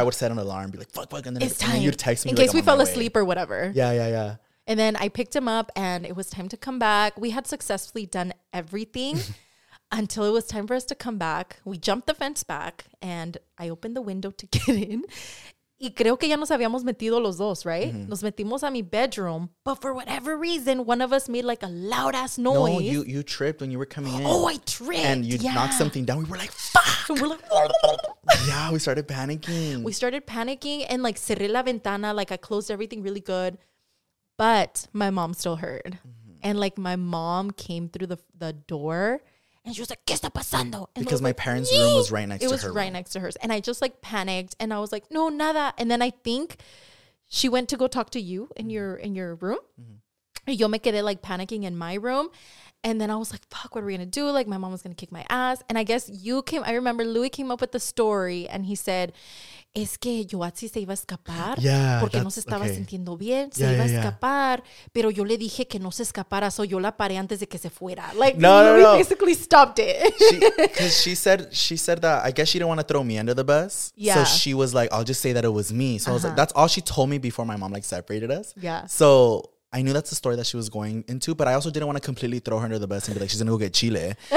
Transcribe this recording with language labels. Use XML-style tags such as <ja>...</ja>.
<en>I would set an alarm, be like, fuck, and then it's time. And you'd text me in like, case we fell asleep or whatever. Yeah. And then I picked him up and it was time to come back. We had successfully done everything until it was time for us to come back. We jumped the fence back and I opened the window to get in.</en> <es>Y creo que ya nos habíamos metido los dos, right? Mm-hmm. Nos metimos a mi bedroom.</es> <en>But for whatever reason, one of us made like a loud ass noise. No, you tripped when you were coming in. Oh, I tripped. And you knocked something down. We were like, fuck. And we're like, yeah, we started panicking. We started panicking and like cerré la ventana. Like I closed everything really good. But my mom still heard. Mm-hmm. And like my mom came through the door and she was like, ¿qué está pasando? And because like, my parents' room was right next to her. It was right next to hers. And I just like panicked and I was like, no, nada. And then I think she went to go talk to you in your room. Mm-hmm. Yo me quedé like panicking in my room. And then I was like, fuck, what are we going to do? Like my mom was going to kick my ass. And I guess I remember Louis came up with the story and he said, es que Yoatsi se iba a escapar porque no se estaba sintiendo bien.</en> <es>Se iba a escapar, pero yo le dije que no se escapara, so yo la paré antes de que se fuera.</es> <en>Like, no. Basically stopped it. Because she said that, I guess she didn't want to throw me under the bus. Yeah. So she was like, I'll just say that it was me. So I was like, that's all she told me before my mom like separated us. Yeah. So I knew that's the story that she was going into, but I also didn't want to completely throw her under the bus and be like, she's going to go get chile.</en>